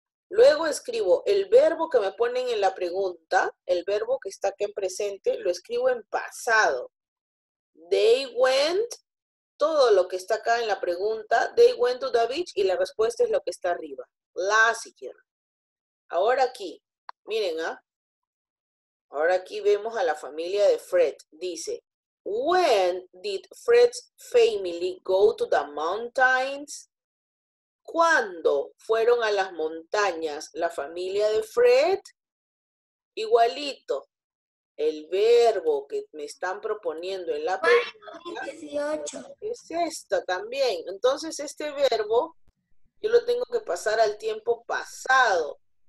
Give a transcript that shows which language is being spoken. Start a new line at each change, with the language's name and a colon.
Spanish: Luego escribo el verbo que me ponen en la pregunta, el verbo que está aquí en presente, lo escribo en pasado.
English: They went,
Spanish: todo lo que está acá en la pregunta,
English: they went to the beach
Spanish: y la respuesta es lo que está arriba.
English: Last year.
Spanish: Ahora aquí, miren, ¿ah? Ahora aquí vemos a la familia de Fred.
English: Dice, when did Fred's family go to the mountains?
Spanish: ¿Cuándo fueron a las montañas la familia de Fred? Igualito. El verbo que me están proponiendo en la pregunta 18. es esta también. Entonces, este verbo yo lo tengo que pasar al tiempo pasado.